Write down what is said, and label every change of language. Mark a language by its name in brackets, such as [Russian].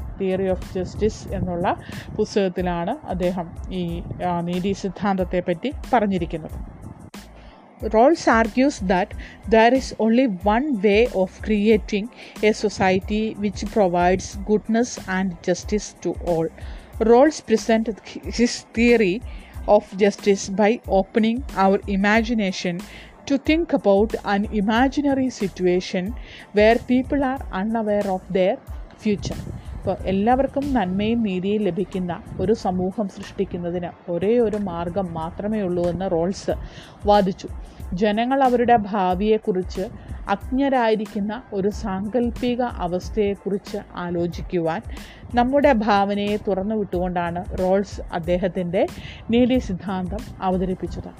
[Malayalam] Theory of justice എന്നുള്ള പുസ്തകത്തിലാണ് അദ്ദേഹം ഈ നീതി സിദ്ധാന്തത്തെപ്പറ്റി പറഞ്ഞിരിക്കുന്നത്. [English] Rawls argues that there is only one way of creating a society which provides goodness and justice to all. Rawls presents his theory of justice by opening our imagination to think about an imaginary situation where people are unaware of their future. [Malayalam] ഇപ്പോൾ എല്ലാവർക്കും നന്മയും നീതിയും ലഭിക്കുന്ന ഒരു സമൂഹം സൃഷ്ടിക്കുന്നതിന് ഒരേ ഒരു മാർഗം മാത്രമേ ഉള്ളൂ എന്ന് റോൾസ് വാദിച്ചു. ജനങ്ങൾ അവരുടെ ഭാവിയെക്കുറിച്ച് അജ്ഞരായിരിക്കുന്ന ഒരു സാങ്കല്പിക അവസ്ഥയെക്കുറിച്ച് ആലോചിക്കുവാൻ നമ്മുടെ ഭാവനയെ തുറന്നു വിട്ടുകൊണ്ടാണ് റോൾസ് അദ്ദേഹത്തിൻ്റെ നീതി സിദ്ധാന്തം അവതരിപ്പിച്ചത്.